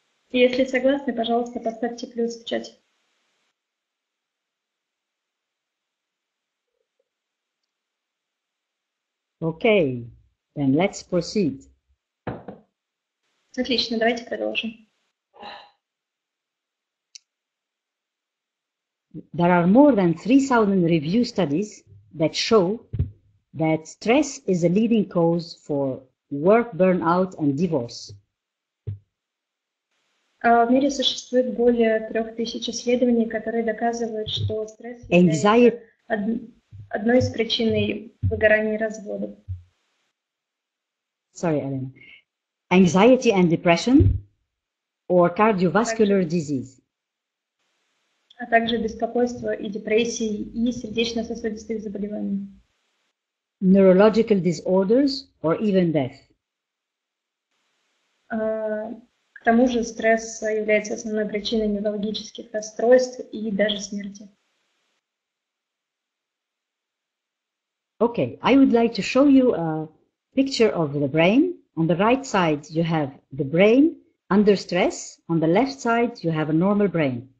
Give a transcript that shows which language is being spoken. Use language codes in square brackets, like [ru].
[ru] Если согласны, пожалуйста, поставьте плюс в чате. [en] Okay, then let's proceed. [ru] Отлично, давайте продолжим. [en] There are more than 3,000 review studies that show that stress is a leading cause for work burnout and divorce. [ru] В мире существует более 3,000 исследований, которые доказывают, что стресс является одной из причин выгорания и развода. [en] Sorry, Elena. Anxiety and depression, or cardiovascular disease. [ru] А также беспокойство и депрессии и сердечно-сосудистые заболевания. [en] Neurological disorders, or even death. [ru] К тому же стресс является основной причиной неврологических расстройств и даже смерти. [en] Okay, I would like to show you a picture of the brain. On the right side, you have the brain under stress. On the left side, you have a normal brain.